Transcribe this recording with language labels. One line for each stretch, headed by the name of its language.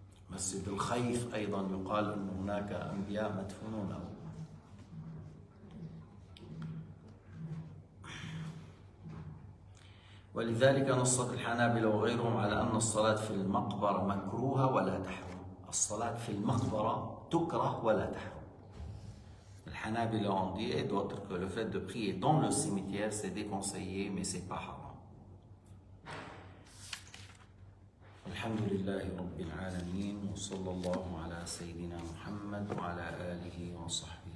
Arabic: مسجد الخيف أيضا يقال أنه هناك أنبياء مدفونون. ولذلك نصت الحنابلة وغيرهم على أن الصلاة في المقبرة مكروهة ولا تحرم. الصلاة في المقبرة تكره ولا تحرم.
French: الحنابلة ont dit et d'autres que le fait de prier dans le cimetière c'est déconseillé mais c'est pas haram.
Arabic: الحمد لله رب العالمين وصلى الله على سيدنا محمد وعلى آله وصحبه.